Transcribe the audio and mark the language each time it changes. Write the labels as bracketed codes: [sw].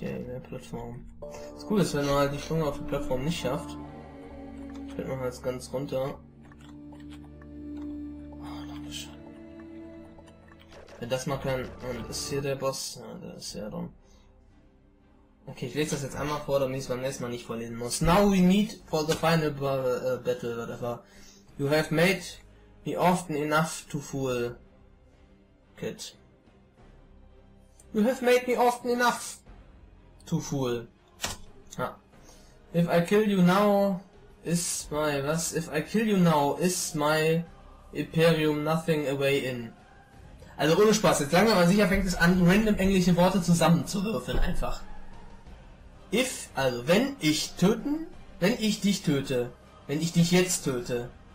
[de] Yay, mehr Plattform. Das Coole ist, wenn man halt die Sprünge auf die Plattform nicht schafft, fällt man halt ganz runter. Wenn das mal kann, und ist hier der Boss, ja, der ist ja dann. Okay, ich lese das jetzt einmal vor, damit ich es beim nächsten Mal nicht vorlesen muss. [en] Now we meet for the final battle, whatever. You have made me often enough to fool. Kid. You have made me often enough to fool. Ja. If I kill you now, is my, [de] was? [en] If I kill you now, is my Imperium nothing away in. [de] Also ohne Spaß, jetzt langsam aber sicher fängt es an, random englische Worte zusammenzuwürfeln einfach. If, also wenn ich töten, wenn ich dich töte, wenn ich dich jetzt töte.